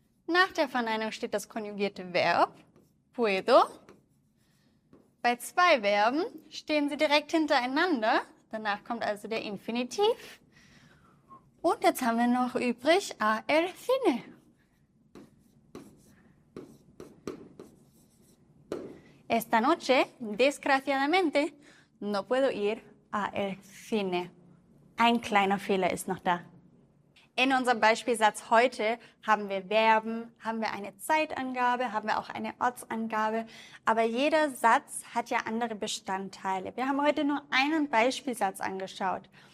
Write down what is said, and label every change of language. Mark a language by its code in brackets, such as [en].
[de] Nach der Verneinung steht das konjugierte Verb. [es] Puedo. [de] Bei zwei Verben stehen sie direkt hintereinander. Danach kommt also der Infinitiv. Und jetzt haben wir noch übrig [es] a el cine. Esta noche, desgraciadamente, no puedo ir a el cine. [de] Ein kleiner Fehler ist noch da. In unserem Beispielsatz heute haben wir Verben, haben wir eine Zeitangabe, haben wir auch eine Ortsangabe. Aber jeder Satz hat ja andere Bestandteile. Wir haben heute nur einen Beispielsatz angeschaut.